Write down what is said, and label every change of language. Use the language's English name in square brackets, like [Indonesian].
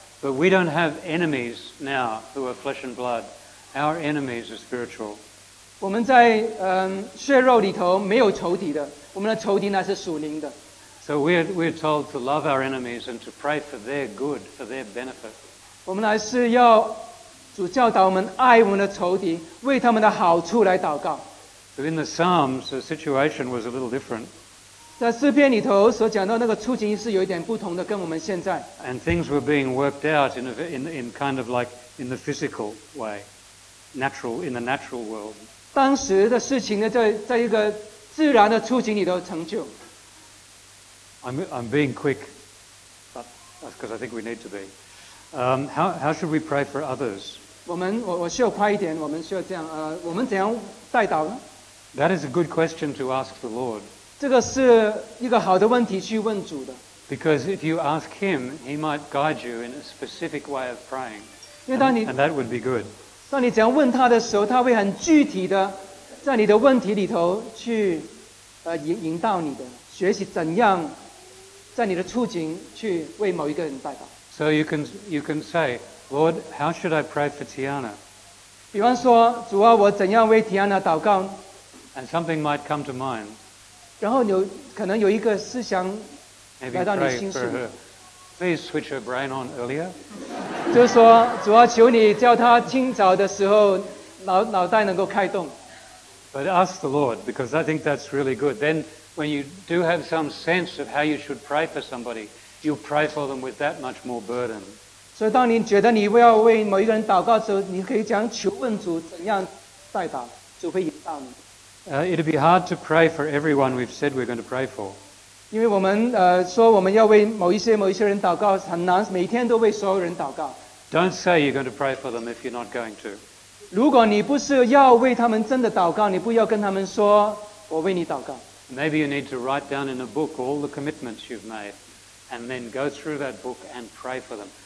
[English] But we don't have enemies now who are flesh and blood. Our enemies are spiritual. [Chinese] 我们在血肉里头没有仇敌的，我们的仇敌乃是属灵的。 [English] So we're told to love our enemies and to pray for their good, for their benefit. [Chinese] 我们乃是要主教导我们爱我们的仇敌，为他们的好处来祷告。 [English] So in the Psalms, the situation was a little different. [Chinese] 在诗篇里头所讲到那个处境是有一点不同的，跟我们现在。 [English] And things were being worked out in kind of like in the physical way, natural in the natural world. [Chinese] 当时的事情呢，在一个自然的处境里头成就。 [English] I'm being quick, but that's because I think we need to be. How should we pray for others? [Chinese] 我需要快一点，我们需要这样，我们怎样代祷呢？ [English] That is a good question to ask the Lord. [Chinese] 这个是一个好的问题去问主的。 [English] Because if you ask him, he might guide you in a specific way of praying. [Chinese] 因为当你 [English] and that would be good. [Chinese] 当你怎样问他的时候，他会很具体的在你的问题里头去引导你的。学习怎样在你的处境去为某一个人代祷。 [English] So you can say, Lord, how should I pray for Tiana? [Chinese] 比方说，主啊，我怎样为 Tiana 祷告？ [English] And something might come to mind. [Chinese] 然后有可能有一个思想来到你心事。 [English] Please switch her brain on earlier. [Chinese] 就是说，主啊，求你叫她清早的时候脑袋能够开动。 [English] But ask the Lord, because I think that's really good. Then. When you do have some sense of how you should pray for somebody, you'll pray for them with that much more burden. [Chinese] So, 当你觉得你要为某一个人祷告的时候，你可以讲求问主怎样代祷，主会引导你。 [English] It'd be hard to pray for everyone we've said we're going to pray for. [Chinese] 因为我们说我们要为某一些人祷告，很难每天都为所有人祷告。 [English] Don't say you're going to pray for them if you're not going to. [Chinese] 如果你不是要为他们真的祷告，你不要跟他们说我为你祷告。 [English] Maybe you need to write down in a book all the commitments you've made and then go through that book and pray for them.